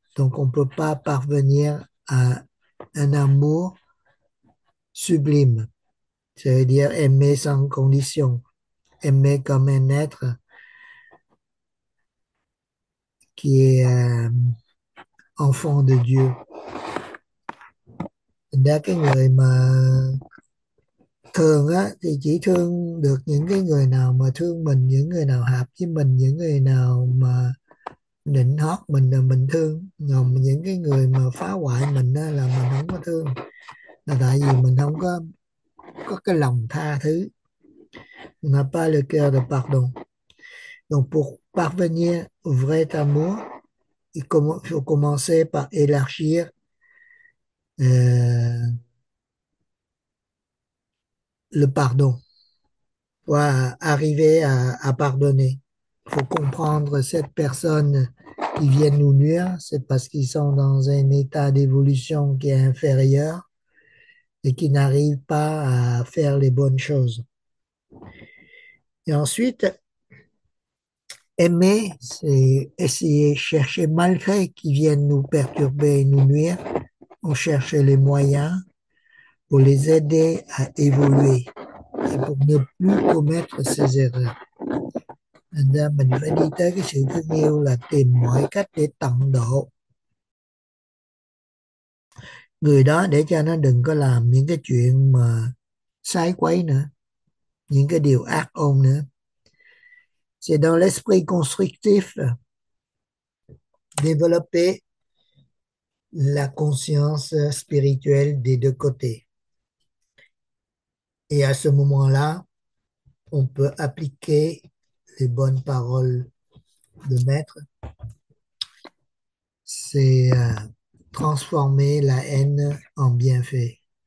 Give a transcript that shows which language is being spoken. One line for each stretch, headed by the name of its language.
French: Donc, on ne peut pas parvenir à un amour sublime. Ça veut dire aimer sans condition, aimer comme un être qui est enfant de Dieu.
Vietnamese: Đã cái người mà thường á thì chỉ thương được những cái người nào mà thương mình, những người nào hợp với mình, những người nào mà nịnh hót mình là mình thương, còn những cái người mà phá hoại mình á là mình không có thương, là tại vì mình không có cái lòng tha thứ.
French: On n'a pas le cœur de pardon. Donc, pour parvenir au vrai amour, il faut commencer par élargir le pardon. Pour arriver à pardonner. Il faut comprendre cette personne qui vient nous nuire, c'est parce qu'ils sont dans un état d'évolution qui est inférieur et qui n'arrive pas à faire les bonnes choses. Et ensuite, aimer, c'est essayer, chercher malgré qu'ils viennent nous perturber et nous nuire, on cherche les moyens pour les aider à évoluer et pour ne plus commettre ces erreurs.
Vietnamese: Nên mình phải đi tới cái sự thương yêu là tìm mọi cách để tận độ người đó để cho nó đừng có làm những cái chuyện mà sai quấy nữa, những cái điều ác ôn nữa.
French: C'est dans l'esprit constructif développer la conscience spirituelle des deux côtés. Et à ce moment-là, on peut appliquer les bonnes paroles de maître, c'est transformer la haine en bienfait.